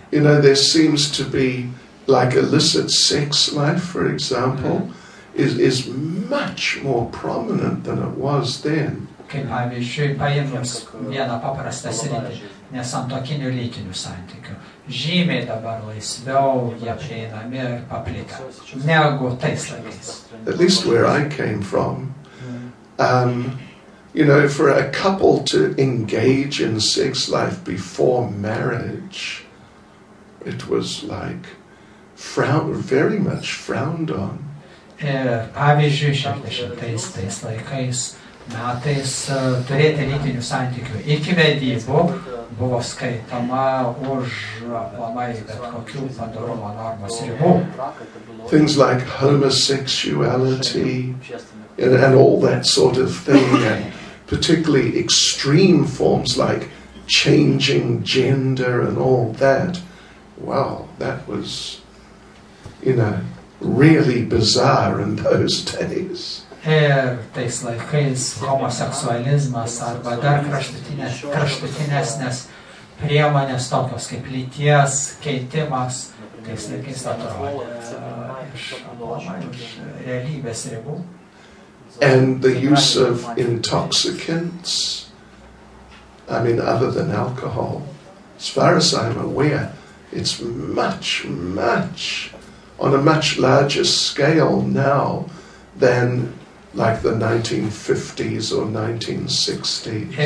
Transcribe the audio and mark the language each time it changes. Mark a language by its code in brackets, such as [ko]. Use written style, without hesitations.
[en] You know, there seems to be, like, illicit sex life, for example, is much more prominent than it was then. [lt] Kaip pavyzdžiui, paėmėms vieną paprastą sritį, nesantokinių lytinių santykių. Žymiai dabar laisviau jie prieinami ir paplitę, negu tais laikais. [en] At least where I came from, you know, for a couple to engage in sex life before marriage, it was like very much frowned on. [lt] Ir pavyzdžiui, 60-tais laikais, metais turėti lytinių santykių iki vedybų buvo skaitama už aplamai bet kokių padarumo normos ribų. [en] Things like homosexuality and all that sort of thing, and particularly extreme forms like changing gender and all that. Wow, that was, you know, really bizarre in those days. [lt] Ir tais laikais homoseksualizmas arba dar kraštutinesnės priemonės, tokios kaip lyties keitimas, tais laikais atrodė iš realybės ribų. [en] And the use of intoxicants, I mean, other than alcohol, as far as I'm aware, it's much, on a much larger scale now than like the 1950s or 1960s.